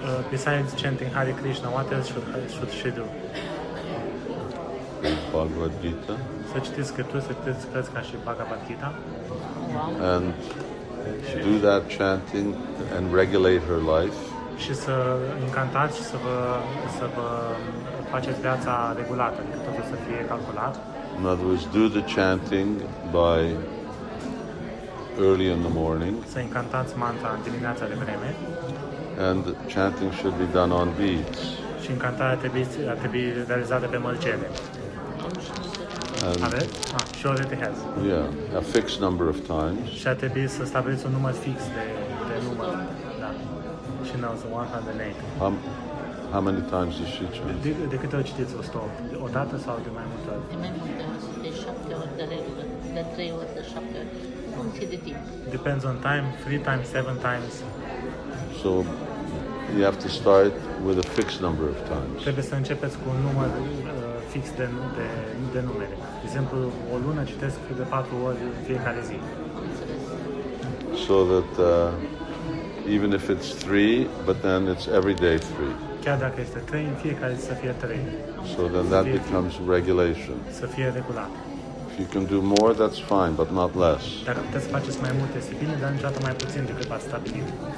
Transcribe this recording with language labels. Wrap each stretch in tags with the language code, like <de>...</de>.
<en>Besides chanting Hare Krishna, what else should she do? Bhagavad Gita.</en> <ro>Să citiți scripturi, să citiți cărți ca și Bhagavad Gita.</ro> <en>And to do that chanting and regulate her life.</en> <ro>Și să încantați și să vă faceți viața regulată, adică totul să fie calculat.</ro> <en>In other words, do the chanting by early in the morning.</en> <ro>Să încantați mantra dimineața de vreme.</ro> <en>And chanting should be done on beads.</en> <ro>Și încantarea trebuie realizată pe mălcele.</ro> <en>And sure it has. Yeah, a fixed number of times.</en> <ro>Și trebuie să stabiliți un număr fix de număr.</ro> <en>She knows 108. How many times does she chant?</en> <ro>De câte ori citiți o stop? O dată sau de mai multe ori? De mai multe ori, de 7 ori de regulă, de 3 ori, de 7 ori, cum ți de timp?</ro> <en>Depends on time, 3 times, 7 times. So you have to start with a fixed number of times.</en> <ro>Trebuie să începeți cu un număr fix de numere. De exemplu, o lună citesc de 4 ori în fiecare zi.</ro> <en>So that even if it's 3, but then it's every day 3.</en> <ro>Chiar dacă este 3, în fiecare zi să fie 3.</ro> <en>So then that becomes regulation.</en> <ro>Să fie regulat.</ro> <en>If you can do more, that's fine, but not less.</en> <ro>Dacă puteți face mai mult, este bine, dar niciodată mai puțin decât v-ați stabilit.</ro>